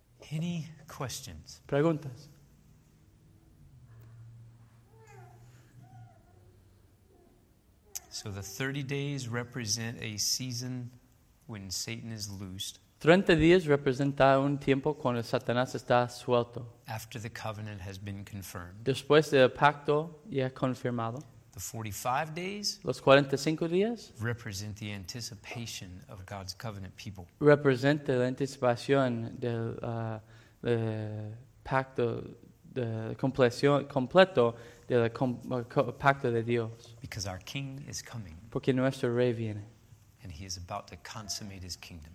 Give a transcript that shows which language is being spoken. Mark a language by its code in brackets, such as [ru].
[en] Any questions? [es] Preguntas. [en] So the 30 days represent a season when Satan is loosed. [es] 30 días representa un tiempo cuando Satanás está suelto. [en] After the covenant has been confirmed. [es] Después del pacto ya confirmado. [en] The 45 days [es] los 45 días [en] represent the anticipation of God's covenant people. [es] Representa la anticipación del pacto de completo del pacto de Dios. [en] Because our king is coming. [es] Porque nuestro rey viene. [en] And he is about to consummate his kingdom.